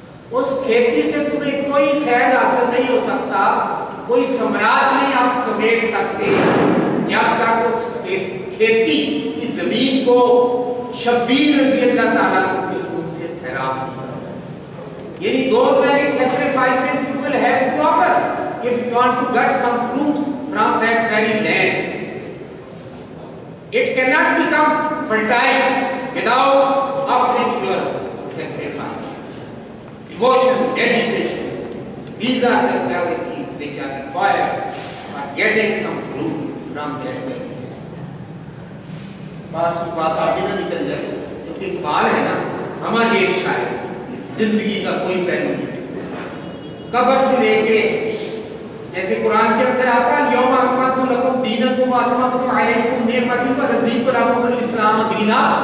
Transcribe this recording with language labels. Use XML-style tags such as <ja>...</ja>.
<ur>اس کھیتی سے تمہیں کوئی فیض حاصل نہیں ہو سکتا کوئی سمراج نہیں آپ سمیٹ سکتے جب تک اس کھیتی کی زمین کو شبیر رضی اللہ تعالیٰ کو بھی خون سے سیراب نہیں سکتا یعنی</ur> <en>Those very sacrifices you will have to offer if you want to get some fruits from that very land. It cannot become fertile without offering your sacrifices. Devotion, dedication, these are the qualities which are required for getting some fruit from that very land.</en> <ur>بس وہ بات آگے نہ نکل جائے کیونکہ اقبال ہے نا ہمارے ایک شاعر زندگی کا کوئی پہلو نہیں قبر سے لے کے جیسے قرآن کے اندر آتا ہے</ur> <ar>یوم اکملت لکم دینکم واتممت علیکم نعمتی ورضیت لکم الاسلام دینا</ar>